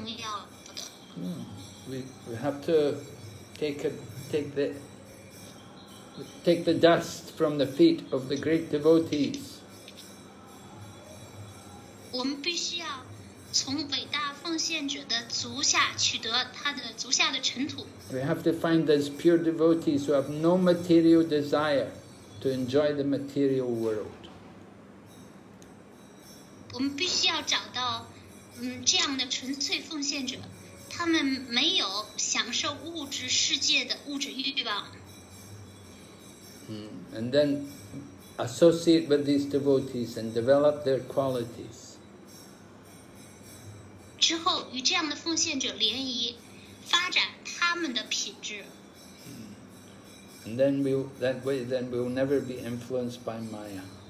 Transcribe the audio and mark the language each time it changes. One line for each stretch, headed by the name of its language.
English: We have to take the dust from the feet of the great devotees.
Chinese: 我们必须要从伟大奉献者的足下取得他的足下的尘土。
English: We have to find those pure devotees who have no material desire to enjoy the material world.
Chinese: 我们必须要找到这样的纯粹奉献者，他们没有享受物质世界的物质欲望。
English: And then associate with these devotees and develop their qualities.
Chinese: 之后与这样的奉献者联谊，发展他们的品质。
English: And then we will never be influenced by Maya.